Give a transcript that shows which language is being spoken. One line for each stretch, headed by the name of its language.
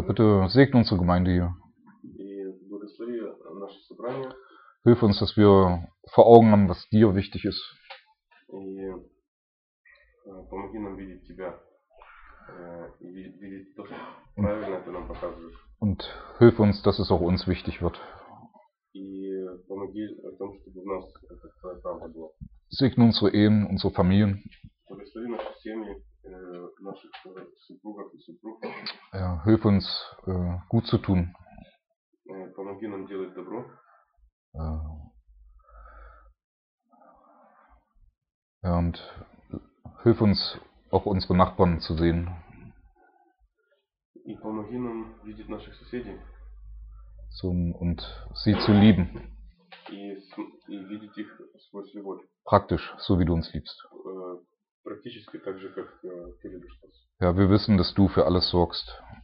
German: bitte segne unsere Gemeinde hier.
Russian: благослови наше собрание.
German: Hilf uns, dass wir vor Augen haben, was dir wichtig ist.
Russian: Помоги нам видеть тебя. Видеть то, что правильно ты нам показываешь.
German: Und hilf uns, dass es auch uns wichtig wird.
Russian: И помоги в том, чтобы у нас это твоя правда была.
German: Segne unsere Ehen, unsere Familien.
Russian: Благослови наши семьи, наших супругов и супруг.
German: Hilf uns, gut zu tun.
Russian: Помоги нам делать добро.
German: Und hilf uns, auch unsere Nachbarn zu sehen.
Russian: И помоги нам видеть наших соседей.
German: Und sie zu lieben.
Russian: И видеть их сквозь любовь.
German: Praktisch, so wie du uns liebst.
Russian: Практически так же, как ты любишь нас.
German: Ja, wir wissen, dass du für alles sorgst.